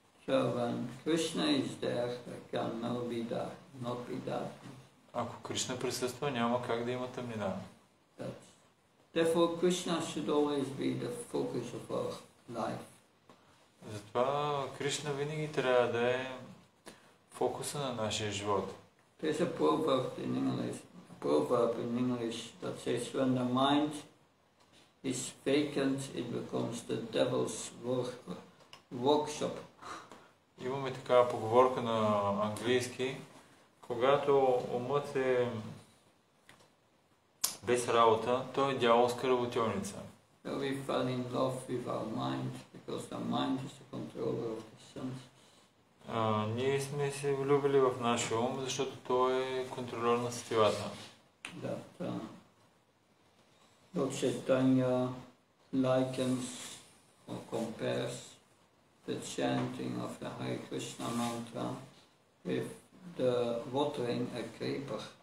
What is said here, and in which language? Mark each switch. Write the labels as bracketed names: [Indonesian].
[English] So when Krishna is there, there cannot be dark, not be darkness. [Bulgarian] Ако Кришна присъства, няма как да има тъмнина. [English] Therefore, Krishna should always be the focus of our life. [Bulgarian] Затова Кришна винаги трябва да е фокуса на нашия живот. [English] There's a proverb in English, that says, when the mind is vacant, it becomes the devil's workshop. [Bulgarian] Имаме такава поговорка на английски, когато умът е без работа, той е дяволска работилница. [English] So we fall in love with our mind, because the mind is the controller of the senses. [Bulgarian] Ние сме се влюбили в нашия ум, защото той е контролер на сетивата. [English] Lord Chaitanya likens or compares the chanting of the Hare Krishna mantra with the watering a creeper.